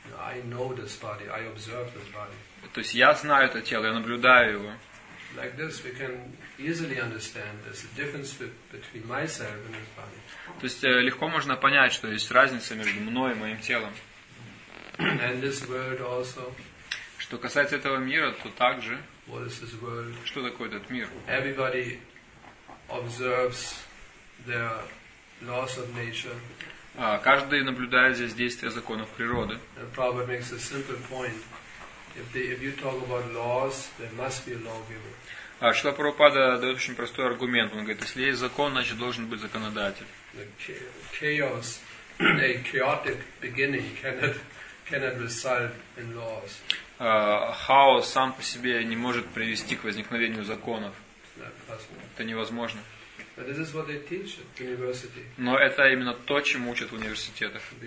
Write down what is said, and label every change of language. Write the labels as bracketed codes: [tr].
[en] I know this body, I observe this body. [ru] То есть я знаю это тело, я наблюдаю его. [en] Like this, we can easily understand there's a difference between myself and this body. [ru] То есть легко можно понять, что есть разница между мной и моим телом. [en] And this world also. [ru] Что касается этого мира, то также. [en] What is this world? [ru] Что такое этот мир? [en] Everybody observes their laws of nature. [ru] Каждый наблюдает здесь действия законов природы. [en] The Prabhupada makes a simple point. If you talk about laws, there must be a lawgiver. [ru] Шрила Прабхупада дает очень простой аргумент. Он говорит, если есть закон, значит должен быть законодатель. [en] The chaos, a chaotic beginning cannot result in laws. [ru] Хаос сам по себе не может привести к возникновению законов. Это невозможно. Но это именно то, чем учат в университетах.